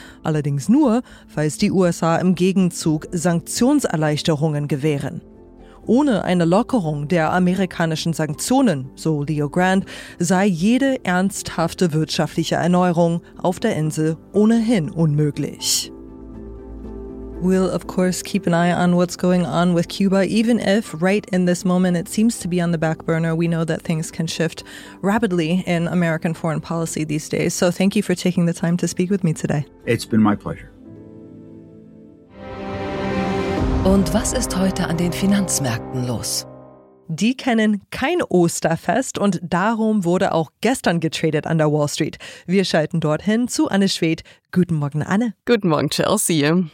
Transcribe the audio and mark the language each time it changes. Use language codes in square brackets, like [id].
[de] Allerdings nur, falls die USA im Gegenzug Sanktionserleichterungen gewähren. Ohne eine Lockerung der amerikanischen Sanktionen, so Leo Grand, sei jede ernsthafte wirtschaftliche Erneuerung auf der Insel ohnehin unmöglich. [en] We'll, of course, keep an eye on what's going on with Cuba, even if right in this moment it seems to be on the back burner. We know that things can shift rapidly in American foreign policy these days. So thank you for taking the time to speak with me today. It's been my pleasure. [de] Und was ist heute an den Finanzmärkten los? Die kennen kein Osterfest und darum wurde auch gestern getradet an der Wall Street. Wir schalten dorthin zu Anne Schwedt. Guten Morgen, Anne. Guten Morgen, Chelsea.